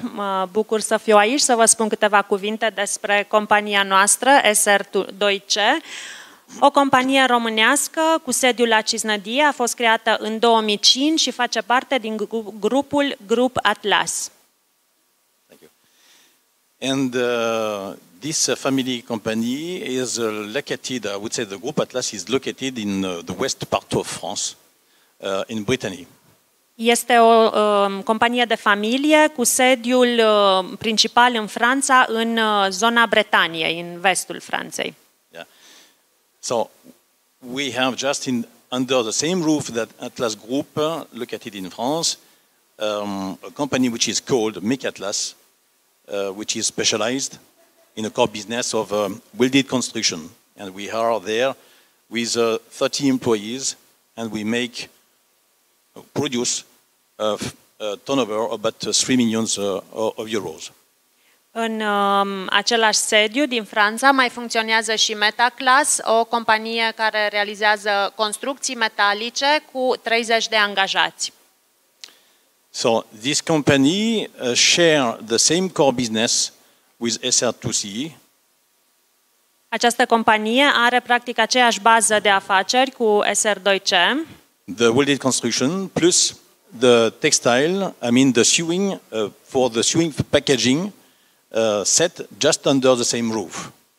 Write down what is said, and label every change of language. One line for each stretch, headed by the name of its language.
Romanian: Mă bucur să fiu aici să vă spun câteva cuvinte despre compania noastră, SR2C. O companie românească cu sediu la Cisnădie a fost creată în 2005 și face parte din grupul Grup Atlas.
English: Thank you. And this family company is located, I would say the Grup Atlas is located in the west part of France, in Brittany.
Romanian: Este o companie de familie cu sediul principal în Franța, în zona Bretaniei, în vestul Franței.
English: Yeah. So, we have just in under the same roof that Atlas Group, located in France, a company which is called Mecatlas, which is specialized in a core business of welded construction. And we are there with 30 employees and we make, produce, turnover about 3 million of euros.
Romanian: În același sediu din Franța mai funcționează și Metaclass, o companie care realizează construcții metalice cu 30 de angajați.
English: So this company share the same core business with SR2C.
Romanian: Această companie are practic aceeași bază de afaceri cu SR2C.
English: The welded construction plus the textile, I mean the sewing, for the sewing packaging set just under the same roof.